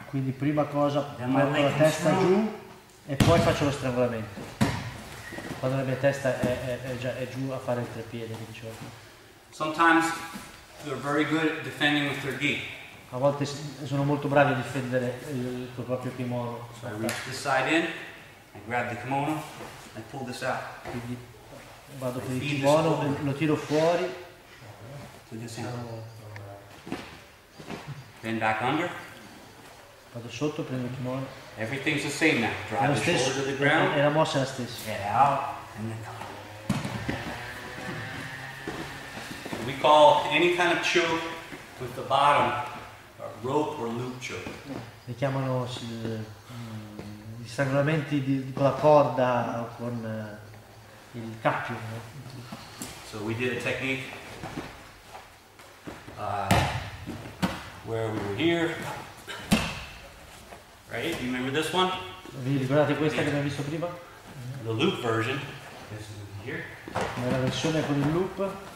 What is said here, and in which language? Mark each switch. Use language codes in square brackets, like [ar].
[it] Quindi prima cosa metto la testa giù e poi faccio lo strangolamento. Quando la mia testa è giù a fare il treppiede, diciamo. [en] Sometimes they're very good at defending with their gi. [it] A volte sono molto bravi a difendere il tuo proprio kimono. [en] So I reach this side in, I grab the kimono, I pull this out. [it] Quindi vado per il kimono, lo tiro fuori. [en] Bend back under. [it] Vado sotto, prendo il kimono. [en] Everything's the same now. Drive the shoulder to the ground. [it] E la mossa è la stessa. [en] Get out and then come. We call any kind of choke with the bottom. Rope or loop choke. [it] Li chiamano gli strangolamenti con la corda o con il cappio. [en] No? So we did a technique where we were here. Right? You remember this one? [it] Vi ricordate questa che abbiamo visto prima? [en] The loop version. This is here. [it] Nella versione con il loop.